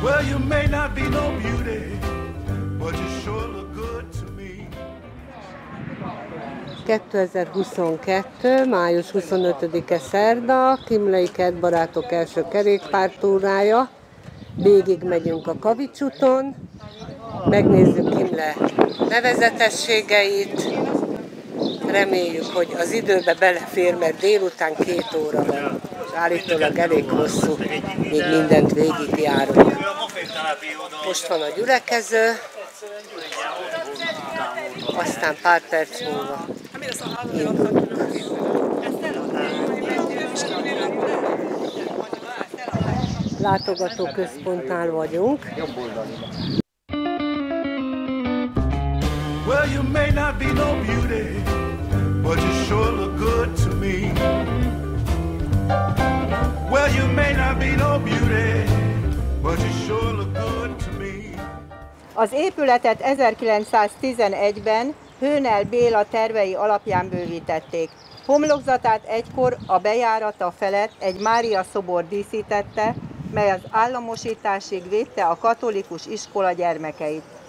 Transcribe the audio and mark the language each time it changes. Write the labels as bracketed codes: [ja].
[en] you may not be no beauty, but you sure look good to me. [hu] 2022. május 25-e szerda, Kimlei Kertbarátok első kerékpártúrája. Végig megyünk a Kavics úton, megnézzük Kimle nevezetességeit. Reméljük, hogy az időbe belefér, mert délután 2 óra van, és állítólag elég hosszú, még mindent végigjárunk. Most van a gyülekező, aztán pár perc múlva indulunk. Látogatóközpontnál vagyunk. [en] Well, you may not be no beauty, but you sure look good to me. Well, you may not be no beauty, but you sure look good to me. [hu] Az épületet 1911-ben Hőnel Béla tervei alapján bővítették. Homlokzatát egykor a bejárata felett egy Mária szobor díszítette, mely az államosításig védte a katolikus iskola gyermekeit.